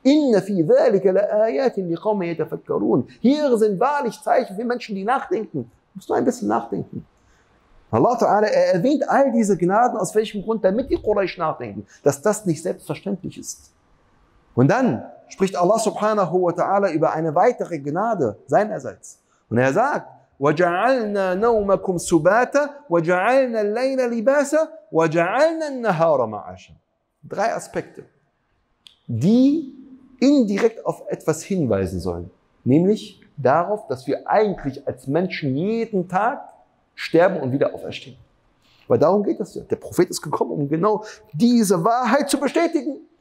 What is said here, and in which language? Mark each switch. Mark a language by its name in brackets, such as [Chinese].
[Arabic] إِنَّ فِي ذَلِكَ لَآيَاتٍ لِقَوْمٍ يَتَفَكَّرُونَ, [German] hier sind wahrlich Zeichen für Menschen, die nachdenken. Du musst nur ein bisschen nachdenken. Allah Ta'ala, er erwähnt all diese Gnaden, aus welchem Grund, damit die Quraysh nachdenken, dass das nicht selbstverständlich ist. Und dann spricht Allah subhanahu wa ta'ala über eine weitere Gnade seinerseits. Und er sagt, [Arabic] وَجَعَلْنَا نَوْمَكُمْ سُبَاتًا وَجَعَلْنَا اللَّيْلَ لِبَاسًا وَجَعَلْنَا النَّهَارَ مَعَاشًا. [German] Drei Aspekte, die indirekt auf etwas hinweisen sollen. Nämlich darauf, dass wir eigentlich als Menschen jeden Tag sterben und wieder auferstehen. Weil darum geht es ja. Der Prophet ist gekommen, um genau diese Wahrheit zu bestätigen.